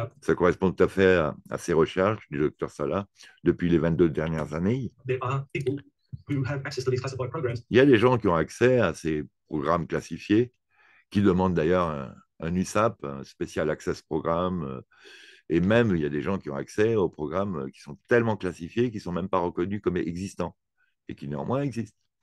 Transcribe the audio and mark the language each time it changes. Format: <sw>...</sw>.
<fr>ça correspond tout à fait à ses recherches du Dr. Salah depuis les 22 dernières années.</fr> <en>There are people who have access to these classified programs.</en> <fr>Il y a des gens qui ont accès à ces programmes classifiés, qui demandent d'ailleurs un USAP, un Special Access Program, et même il y a des gens qui ont accès aux programmes qui sont tellement classifiés qu'ils ne sont même pas reconnus comme existants, et qui néanmoins existent.</fr>